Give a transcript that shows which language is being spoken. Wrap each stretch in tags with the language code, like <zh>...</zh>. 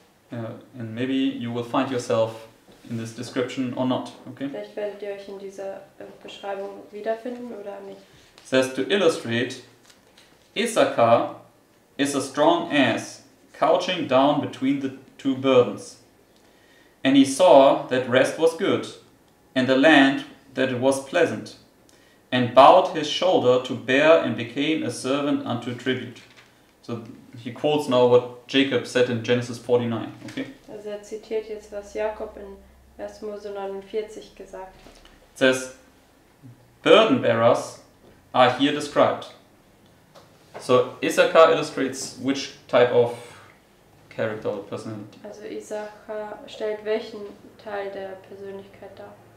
<en>And maybe you will find yourself in this description or not, okay?</en> <de>Vielleicht werdet ihr euch in dieser Beschreibung wiederfinden oder nicht.</de> <en>It says to illustrate, Issachar is a strong ass, couching down between the two burdens. And he saw that rest was good, and the land that it was pleasant, and bowed his shoulder to bear and became a servant unto tribute. So he quotes now what Jacob said in Genesis 49, okay?</en> <de>Also er zitiert jetzt, was Jakob in 1. Mose 49 gesagt.</de> <en>It says, burden bearers are here described. So Issachar illustrates which type of character or personality.</en> <de>Also Issachar stellt welchen Teil der Persönlichkeit dar?</de>